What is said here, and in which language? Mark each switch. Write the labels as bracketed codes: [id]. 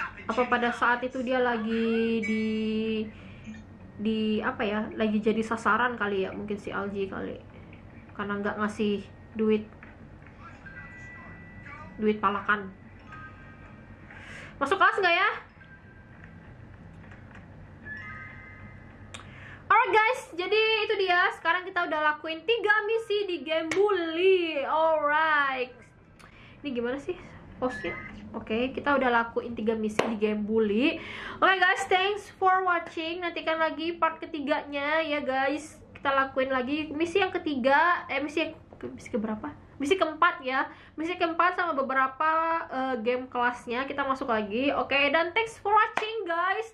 [id] Apa pada saat itu dia lagi di apa ya, lagi jadi sasaran kali ya, mungkin si LG kali, karena nggak ngasih duit palakan. Masuk kelas nggak ya? [en] Alright guys, [id] jadi itu dia, sekarang kita udah lakuin 3 misi di game Bully. Alright, ini gimana sih posnya? Oke, kita udah lakuin 3 misi di game Bully. [en] Oke guys, thanks for watching. [id] Nantikan lagi part ketiganya ya guys. Kita lakuin lagi misi yang ketiga. Misi keempat ya. Misi keempat sama beberapa game kelasnya. Kita masuk lagi. Oke, dan [en] thanks for watching guys.